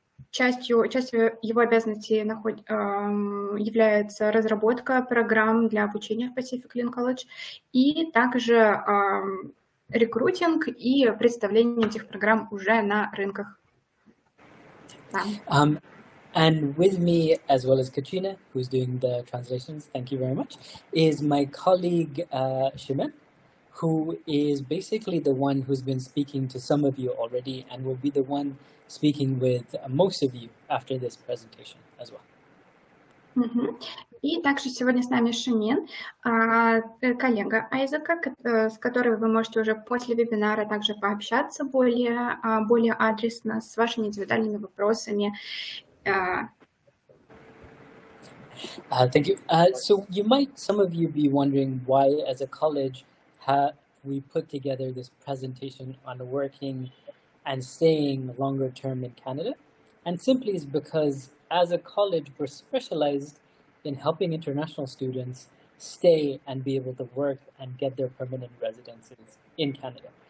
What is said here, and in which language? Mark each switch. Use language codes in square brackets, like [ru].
[ru] Частью его обязанностей является разработка программ для обучения в Pacific Link College и также рекрутинг и представление этих программ уже на рынках. [en] And with me, as well as Katrina, who's doing the translations, thank you very much, is my colleague Shimon, who is basically the one who's been speaking to some of you already and will be the one speaking with most of you after this presentation as well. [ru] И также сегодня с нами Шимин, коллега Айзека, с которой вы можете уже после вебинара также пообщаться более адресно с вашими индивидуальными вопросами. [en] Thank you. So you might, some of you be wondering why as a college have we put together this presentation on working and staying longer term in Canada? And simply is because as a college, we're specialized in helping international students stay and be able to work and get their permanent residences in Canada.